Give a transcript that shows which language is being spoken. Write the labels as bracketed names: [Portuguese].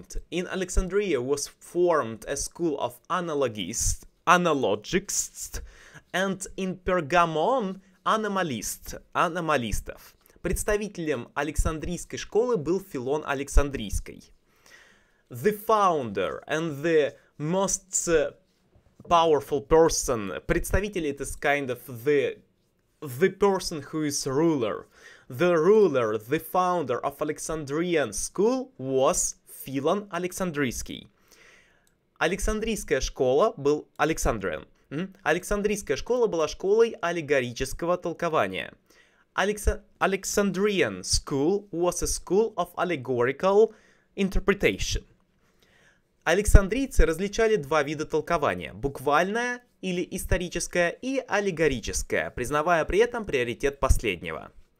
[English] In Alexandria was formed a school of analogists, and in Pergamon anomalistов. [Russian] Представителем Александрийской школы был Филон Александрийский. [English] The founder and the most powerful person, представитель, it is kind of the person who is ruler. The ruler, the founder of Alexandrian school was Filon Alexandrisky. [Russian] Александрийская школа была школой аллегорического толкования. [English] Alexandrian school was a school of allegorical interpretation. [Russian] Александрийцы различали два вида толкования – буквальное или историческое и аллегорическое, признавая при этом приоритет последнего.